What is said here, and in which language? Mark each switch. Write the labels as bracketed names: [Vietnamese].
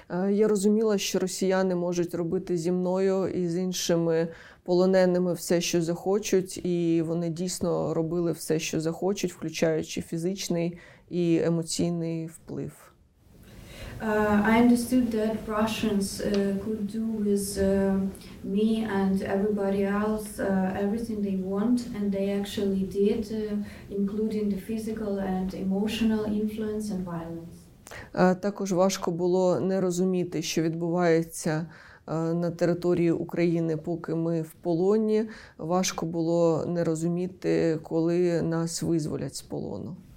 [Ukrainian] Я розуміла, що росіяни можуть робити зі мною і з іншими полоненими все, що захочуть, і вони дійсно робили все, що захочуть, включаючи фізичний і емоційний вплив. [English] I understood that Russians could do with me and everybody else everything they want, and they actually did, including the physical and emotional influence and violence. [Ukrainian] Також важко було не розуміти, що відбувається на території України, поки ми в полоні. Важко було не розуміти, коли нас визволять з полону.